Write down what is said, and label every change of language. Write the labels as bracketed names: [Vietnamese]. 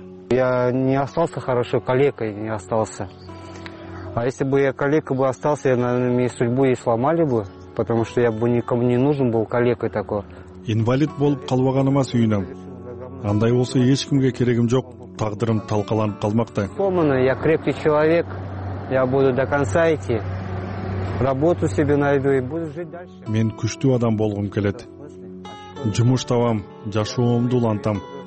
[Russian] Я не остался хорошо, калекой не остался. А если бы я калекой бы остался, я, наверное, мне судьбу и сломали бы, потому что я бы никому не нужен был калекой такой. [Kyrgyz] Инвалид болуп калбаганыма сүйүнөм. Андай болсо эч кимге керегим жок, тагдырым талкаланып калмакта. [Russian] Я крепкий человек, я буду до конца идти, работу себе найду и буду жить дальше. [Kyrgyz] Мен күчтүү адам болгум келет. Жумуш табам, жашоомду улантам.